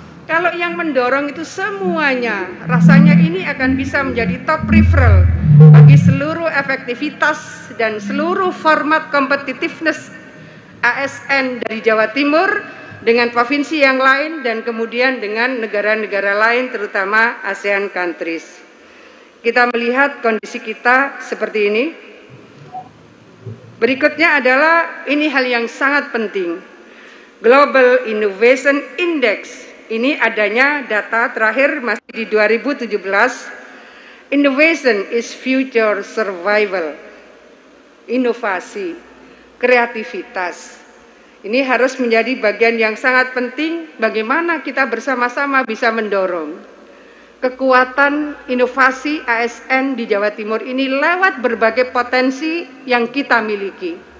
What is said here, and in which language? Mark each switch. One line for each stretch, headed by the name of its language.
Indonesian: Kalau yang mendorong itu semuanya, rasanya ini akan bisa menjadi top referral bagi seluruh efektivitas dan seluruh format competitiveness ASN dari Jawa Timur dengan provinsi yang lain dan kemudian dengan negara-negara lain terutama ASEAN countries. Kita melihat kondisi kita seperti ini. Berikutnya adalah ini hal yang sangat penting. Global Innovation Index. Ini adanya data terakhir masih di 2017.
English: Innovation is future survival.
Indonesian: Inovasi, kreativitas. Ini harus menjadi bagian yang sangat penting bagaimana kita bersama-sama bisa mendorong. Kekuatan inovasi ASN di Jawa Timur ini lewat berbagai potensi yang kita miliki.